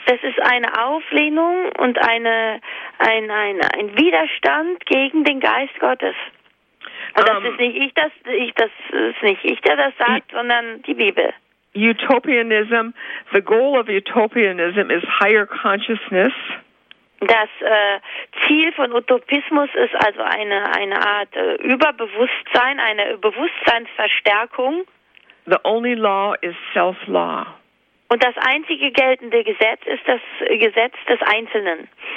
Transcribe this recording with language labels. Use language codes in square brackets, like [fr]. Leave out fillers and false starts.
[de] Das ist eine Auflehnung und ein Widerstand gegen den Geist Gottes. Aber das ist nicht ich, der das sagt, sondern die Bibel. [en] Utopianism, the goal of utopianism is higher consciousness. [de] Das Ziel von Utopismus ist also eine Art Überbewusstsein, eine Bewusstseinsverstärkung. [en] The only law is self-law. [de] Und das einzige geltende Gesetz ist das Gesetz des Einzelnen.